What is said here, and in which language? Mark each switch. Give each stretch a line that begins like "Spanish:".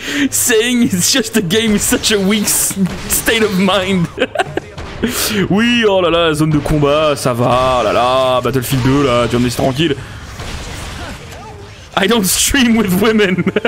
English: Saying it's just a game is such a weak state of mind.
French: Oui, oh là là, zone de combat, ça va, oh là là, Battlefield 2, là, tu vas me laisser tranquille.
English: I don't stream with women.